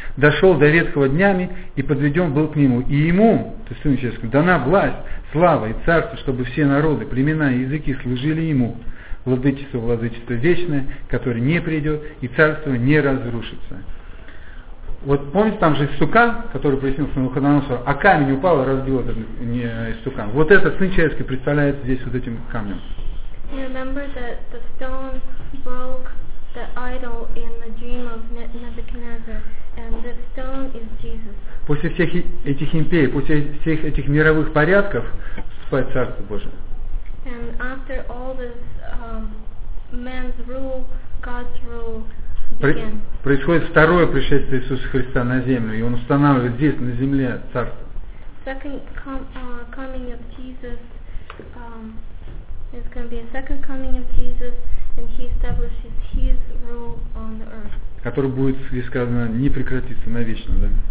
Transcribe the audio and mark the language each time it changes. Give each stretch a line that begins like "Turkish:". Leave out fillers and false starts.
Russian: Дошел до ветхого днями, и подведен был к нему. И ему, то есть Сыну Человеческому, дана власть, слава и царство, чтобы все народы, племена и языки служили ему. Владычество, владычество вечное, которое не придет, и царство не разрушится». Вот помните, там же истукан, который приснился на Навуходоносору, а камень упал и разбил этот истукан. Вот этот Сын Человеческий представляется здесь вот этим камнем.
English: You remember that the stone broke the idol in the dream of Nebuchadnezzar, and the stone is Jesus.
Russian: После всех этих империй, после всех этих мировых порядков, вступает Царство Божие.
English: And after all this man's rule, God's rule,
Russian: Происходит второе пришествие Иисуса Христа на землю, и Он устанавливает здесь, на земле, Царство.
English: Second coming of Jesus, it's going to be a second coming of Jesus, and He establishes His rule on the earth.
Russian: Который будет, как сказано, не прекратиться навечно, да?